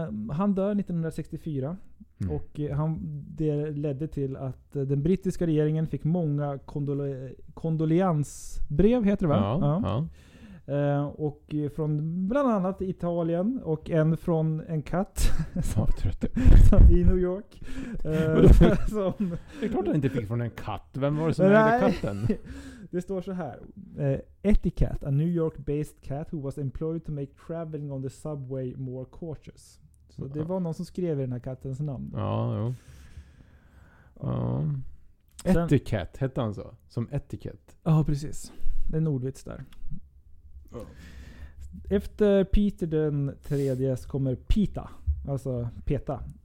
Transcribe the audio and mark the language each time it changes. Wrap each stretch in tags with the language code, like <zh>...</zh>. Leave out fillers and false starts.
<sv>Han dör 1964. Mm. Och det ledde till att den brittiska regeringen fick många kondoleansbrev, heter det va? Ja, ja. Och från bland annat Italien och en från en katt i New York. som det är klart att han inte fick från en katt. Vem var det som ägde katten? Det står så här.</sv> <en>Etiquette, a New York-based cat who was employed to make traveling on the subway more cautious.</en> <sv>Så det var någon som skrev i den här kattens namn. Ja, jo. Ja. Etikett hette han så. Som etikett. Ja, precis. Det är en ordvits där. Efter Peter den tredje så kommer PETA. Alltså PETA.</sv>